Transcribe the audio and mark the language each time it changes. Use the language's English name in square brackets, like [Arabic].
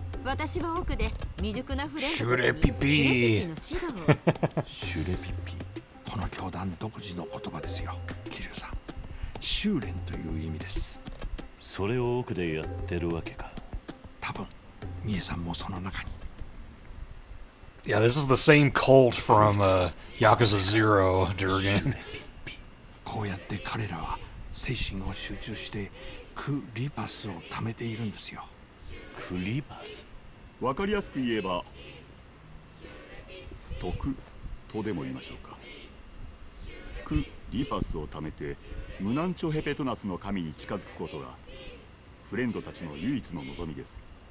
[Japanese] 私は奥で未熟なフレンドシュレピピの指導。シュレピピ、この教団独自の言葉ですよ、キルさん。修練という意味です。それを奥でやってるわけか。多分、ミエさんもその中に。 [English] Yeah, this is the same cult from Yakuza Zero, Durgan. [Japanese] シュレピピ。こうやって彼らは。精神を集中してクリパスを貯めているんですよ。クリパス、わかりやすく言えば徳とでも言いましょうか。クリパスを貯めてムナンチョヘペトナスの神に近づくことがフレンドたちの唯一の望みです。